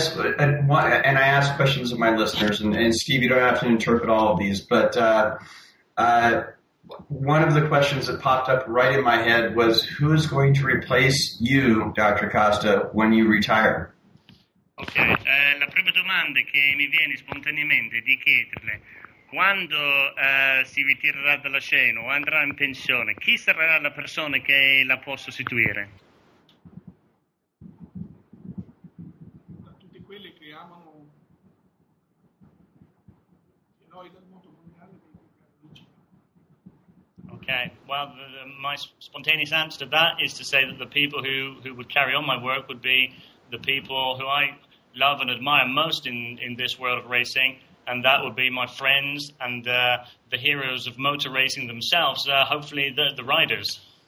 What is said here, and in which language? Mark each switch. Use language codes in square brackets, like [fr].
[en] I ask questions of my listeners, and Steve, you don't have to interpret all of these, but one of the questions that popped up right in my head was, who is going to replace you, Dr. Costa, when you retire? [it] Ok, la prima domanda che mi viene spontaneamente di chiederle, quando si ritirerà dalla scena o andrà in pensione, chi sarà la persona che la può sostituire? A tutti quelli che amano i noi del mondo mondiale. [en] Ok, well, my spontaneous answer to that is to say that the people who would carry on my work would be the people who I love and admire most in this world of racing, and that would be my friends and the heroes of motor racing themselves, hopefully the riders.